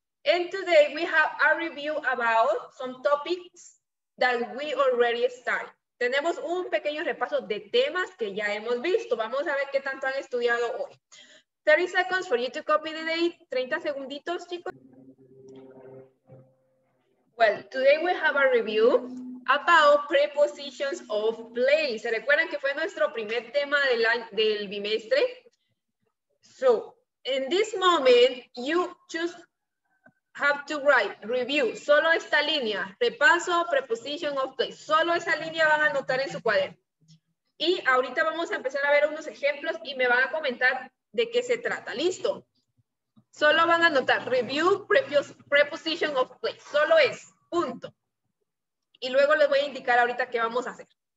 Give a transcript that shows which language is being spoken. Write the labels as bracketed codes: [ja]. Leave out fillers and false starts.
[en] And today we have a review about some topics that we already started. [es] Tenemos un pequeño repaso de temas que ya hemos visto. Vamos a ver qué tanto han estudiado hoy. [en] 30 seconds for you to copy the date. [es] 30 segunditos, chicos. [en] Well, today we have a review about prepositions of place. [es] ¿Se recuerdan que fue nuestro primer tema del bimestre? [en] So, in this moment, you just have to write review. [es] Solo esta línea, repaso, [en] preposition of place. [es] Solo esa línea van a anotar en su cuaderno. Y ahorita vamos a empezar a ver unos ejemplos y me van a comentar de qué se trata. ¿Listo? Solo van a anotar [en] review, preposition of place. [es] Solo es, punto. Y luego les voy a indicar ahorita qué vamos a hacer.